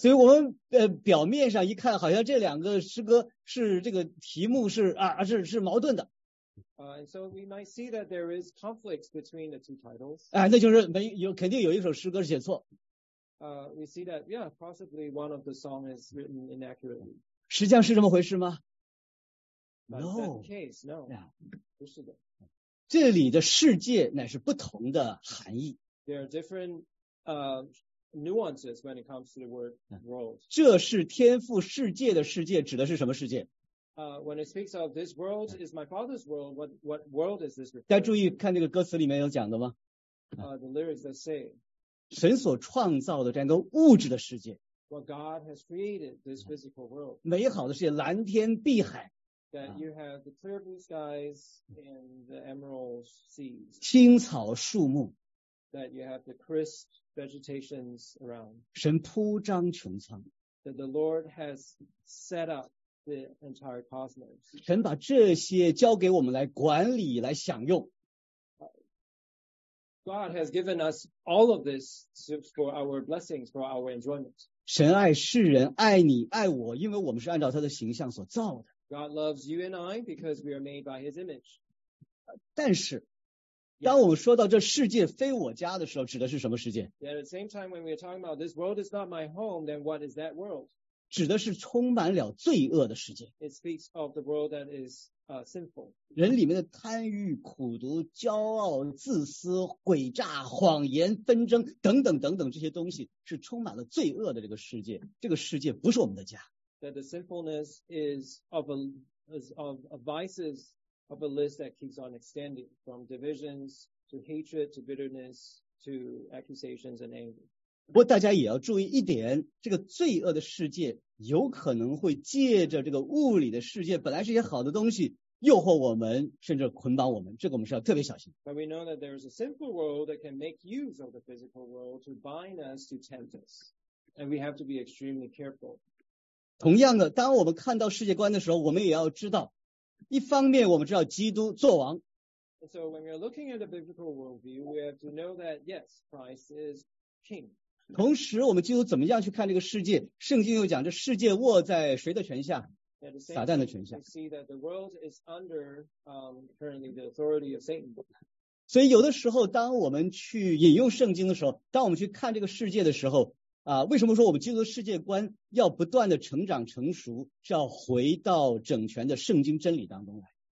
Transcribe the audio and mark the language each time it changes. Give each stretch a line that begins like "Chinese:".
Chinese: 所以我们表面上一看，好像这两个诗歌是这个题目是啊是矛盾的。
English: And so we might see that there is conflicts between the two titles.
Chinese: 哎，那就是没有肯定有一首诗歌是写错。
English: We see that, yeah, possibly one of the songs is written inaccurately.
Chinese: 实际上是这么回事吗
English: ？No. Case, no. Yeah.
Chinese: 不是的。这里的世界乃是不同的含义。
English: There are different nuances when it comes to the word world.
Chinese: 这是天父世界的世界，指的是什么世界？
English: When it speaks of this world, is my father's world. What world is this?
Chinese: 大家注意看这个歌词里面有讲的吗？
English: The lyrics that say,
Chinese: 神所创造的这样一个物质的世界。
English: What God has created this physical world.
Chinese: 美好的世界，蓝天碧海。
English: That you have the clear blue skies and the emerald seas.
Chinese: 青草树木。
English: That you have the crisp vegetations around.
Chinese: 神铺张穹苍。
English: That the Lord has set up. The entire cosmos.
Chinese: 神把这些交给我们来管理来享用
English: God has given us all of this for our blessings for our enjoyment
Chinese: 神爱世人爱你爱我因为我们是按照他的形象所造的
English: God loves you and I because we are made by his image
Chinese: 但是当我们说到这世界非我家的时候指的是什么世界
English: At the same time when we are talking about this world is not my home then what is that world?
Chinese: 指的是充满了罪恶的世界。
English: It speaks of the world that is, sinful.
Chinese: 人里面的贪欲、苦毒、骄傲、自私、诡诈、谎言、纷争等等等等这些东西是充满了罪恶的这个世界。这个世界不是我们的家。
English: That the sinfulness is of vices of a list that keeps on extending from divisions to hatred to bitterness to accusations and anger.
Chinese: 不过大家也要注意一点，这个罪恶的世界有可能会借着这个物理的世界，本来是一些好的东西，诱惑我们，甚至捆绑我们，这个我们是要特别小心。
English: But we know that there is a sinful world that can make use of the physical world to bind us to tempt us, and we have to be extremely careful.
Chinese: 同样的，当我们看到世界观的时候，我们也要知道，一方面我们知道基督作王。
English: And so when we are looking at the biblical worldview, we have to know that yes, Christ is king.
Chinese: 同时我们基督怎么样去看这个世界圣经又讲这世界握在谁的权下撒旦的权下
English: we see that the world is under, currently the authority of Satan.
Chinese: 所以有的时候当我们去引用圣经的时候当我们去看这个世界的时候啊，为什么说我们基督的世界观要不断的成长成熟是要回到整全的圣经真理当中来